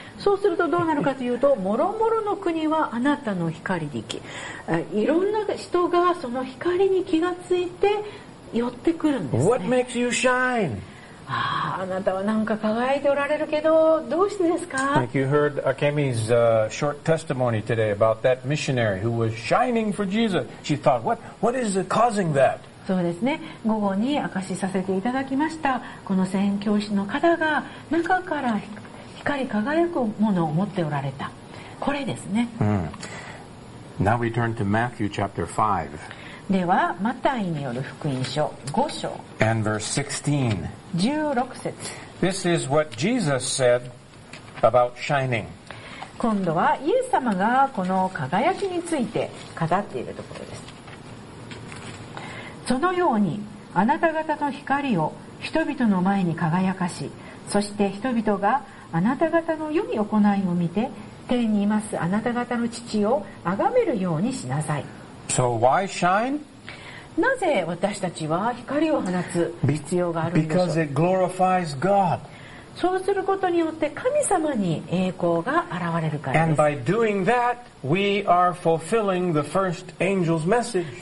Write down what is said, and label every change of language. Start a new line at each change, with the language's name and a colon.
Japanese: そうするとどうなるかというと、もろもろの国はあなたの光に、いろんな人がその光に気がついて寄ってくるんですね。
English: What makes you shine?
Japanese: あなたはなんか輝いておられるけど、どうしてですか?
English: Like you heard Akemi's short testimony today about that missionary who was shining for Jesus. She thought, what is causing that?
Japanese: そうですね午後に明かしさせていただきましたこの宣教師の方が中から光り輝くものを持っておられたこれですね、
English: うん、Now we turn to Matthew chapter 5
Japanese: ではマタイによる福音書5章
English: And verse 16
Japanese: 節
English: This is what Jesus said about shining
Japanese: 今度はイエス様がこの輝きについて語っているところですそのようにあなた方の光を人々の前に輝かしそして人々があなた方の良い行いを見て天にいますあなた方の父を崇めるようにしなさい
English: So why shine?
Japanese: なぜ私たちは光を放つ必要があるんでしょう
English: Because it glorifies God.
Japanese: そうすることによって神様に栄光が現れるからです
English: And by doing thatWe are fulfilling the first angel's message.